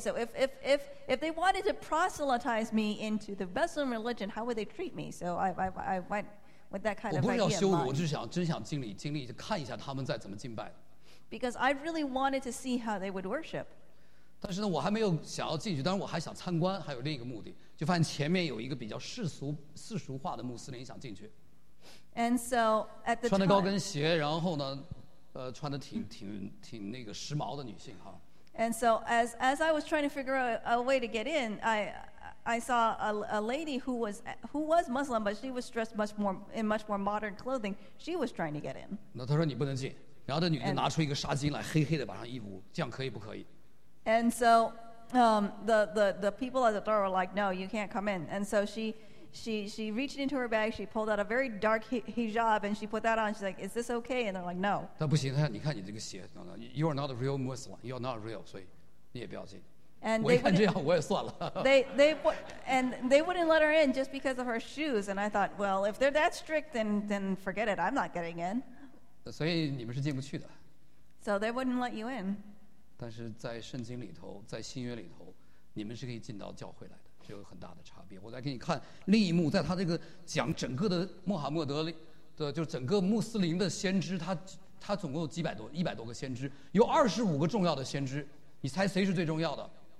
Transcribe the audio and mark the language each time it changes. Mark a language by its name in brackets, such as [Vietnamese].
[English] So if they wanted to proselytize me into the Muslim religion, how would they treat me? So I went with that kind of idea. [Chinese] 我不是要羞辱，我就是想真想经历，看一下他们在怎么敬拜。 [English] Because I really wanted to see how they would worship. [Chinese] 但是呢，我还没有想要进去，但是我还想参观，还有另一个目的，就发现前面有一个比较世俗化的穆斯林想进去。 [English] And so at the [Chinese] 穿着高跟鞋，然后呢，穿的挺那个时髦的女性哈。 [English] And so as I was trying to figure out a way to get in, I saw a lady who was Muslim, but she was dressed much more modern clothing. She was trying to get in. [Chinese] 那她说你不能进，然后那女的拿出一个纱巾来，黑黑的把上衣服，这样可以不可以 [English] ？And so the people at the door were like, "No, you can't come in." And so she reached into her bag, she pulled out a very dark hijab, and she put that on. She's like, is this okay? And they're like, no. [Chinese] 但不行，你看你这个鞋， [English] you are not a real Muslim, you are not real, [Chinese] 所以你也不要进。 [English] And [Chinese] 我一看这样，我也算了。 [English] They wouldn't let her in just because of her shoes, and I thought, well, if they're that strict, then forget it, I'm not getting in. [Chinese] 所以你们是进不去的。 [English] So they wouldn't let you in. [Chinese] 但是在圣经里头，在新约里头，你们是可以进到教会来的。就有很大的差别。我再给你看另一幕，在他这个讲整个的穆罕默德的，就整个穆斯林的先知，他总共有一百多个先知，有二十五个重要的先知，你猜谁是最重要的